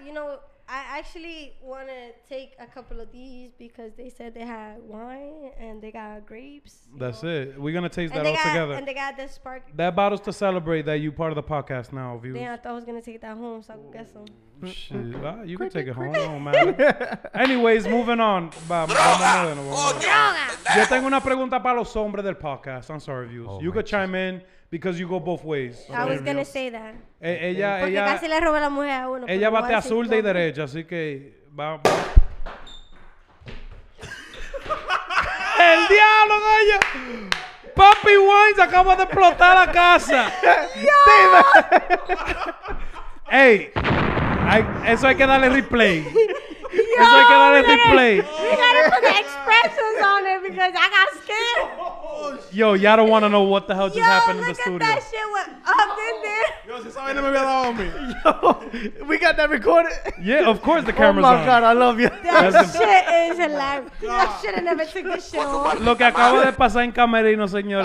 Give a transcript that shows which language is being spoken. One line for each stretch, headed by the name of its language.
English: You know, I actually want to take a couple of these because they said they had wine and they got grapes. That's know? It. We're going to taste that all got, together. And they got this spark. That bottle's to celebrate that you part of the podcast now, viewers. Yeah, I thought I was going to take that home, so I can get some. Shit. Well, you can take it home. It don't matter. Anyways, moving on.
Spanish: Yo tengo una pregunta para los hombres del podcast.
English: I'm sorry, viewers. You could chime in. Because you go both ways. I was going to say that.
Spanish: Ella, porque ella, casi le roba la mujer a uno. Ella bate azul de derecha, así que va. Va. ¡El diablo, doña! Papi Wines acaba de explotar la casa. ¡Dios! Ey, eso hay que darle replay. Yo, eso hay que darle replay.
English: We got to put the expressions on it because I got scared. Yo, y'all don't want to know what the hell just yo, happened in the studio. Yo, look at that shit up in there.
Spanish: Yo, si esa vaina me había dado a mí.
English: Yo, we got that recorded? Yeah, of course the camera's on. Oh, my God, on. I love you. That shit is hilarious. God. That shit have never took a show.
Spanish: Lo que acabo de pasar en camerino, señora.